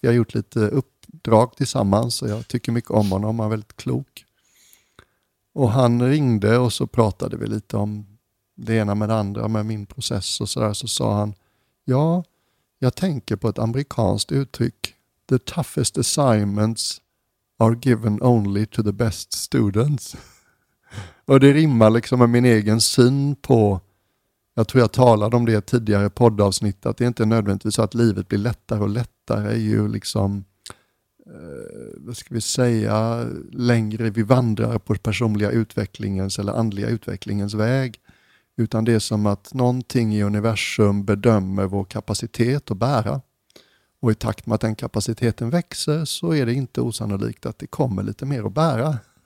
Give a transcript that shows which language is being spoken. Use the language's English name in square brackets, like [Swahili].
[Swedish] Vi har gjort lite uppdrag tillsammans och jag tycker mycket om honom, han är väldigt klok. Och han ringde och så pratade vi lite om det ena med det andra, med min process och sådär. Så sa han, ja, jag tänker på ett amerikanskt uttryck. [English] The toughest assignments are given only to the best students. [Swedish] Och det rimmar liksom med min egen syn på, jag tror jag talade om det tidigare poddavsnitt, att det inte är nödvändigtvis så att livet blir lättare och lättare, är ju liksom, vad ska vi säga, längre vi vandrar på personliga utvecklingens eller andliga utvecklingens väg, utan det är som att någonting i universum bedömer vår kapacitet att bära, och i takt med att den kapaciteten växer så är det inte osannolikt att det kommer lite mer att bära.